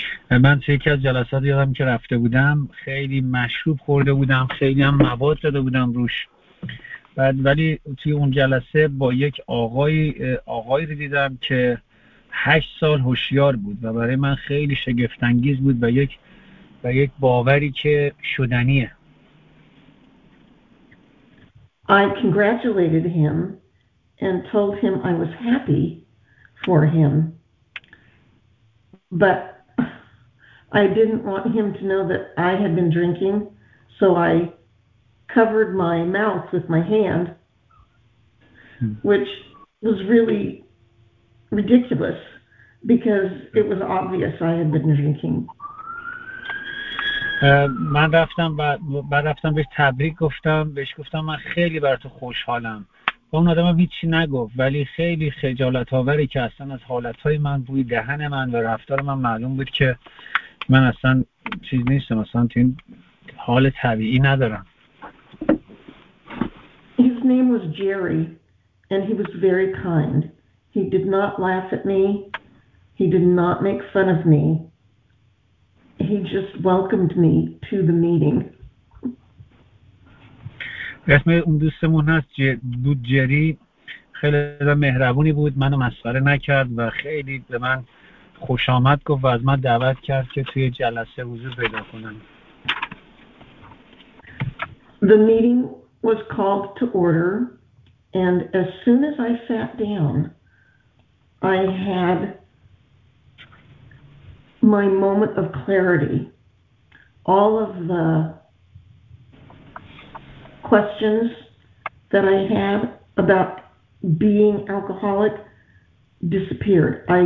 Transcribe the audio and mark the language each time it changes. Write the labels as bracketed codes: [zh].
[fa] من توی یکی از جلسات یادم که رفته بودم خیلی مشروب خورده بودم، خیلی هم مواد داده بودم روش، بعد ولی توی اون جلسه با یک آقایی رو دیدم که 8 سال هوشیار بود و برای من خیلی شگفت انگیز بود و یک باوری که شدنیه. [en] I congratulated him and told him I was happy for him, but I didn't want him to know that I had been drinking, so I covered my mouth with my hand, which was really ridiculous because it was obvious I had been drinking. [fa] من رفتم و بعد رفتم بهش تبریک گفتم، بهش گفتم من خیلی برات خوشحالم. با اون آدم هیچی نگفت، ولی خیلی خجالت آوری که اصلا از حالتهای من بوی دهن من و رفتار من معلوم بود که من اصلا چیز نیستم، اصلا تو این حال طبیعی ندارم. [en] His name was Jerry and he was very kind. He did not laugh at me. He did not make fun of me. He just welcomed me to the meeting. [fa] اسم اون دوستمون هست بود جری، خیلی مهربونی بود، منو مسخره نکرد و خیلی به من خوش آمد گفت و از من دعوت کرد که توی جلسه حضور پیدا کنم. [en] The meeting was called to order and as soon as I sat down I had my moment of clarity. All of the questions that I had about being alcoholic disappeared.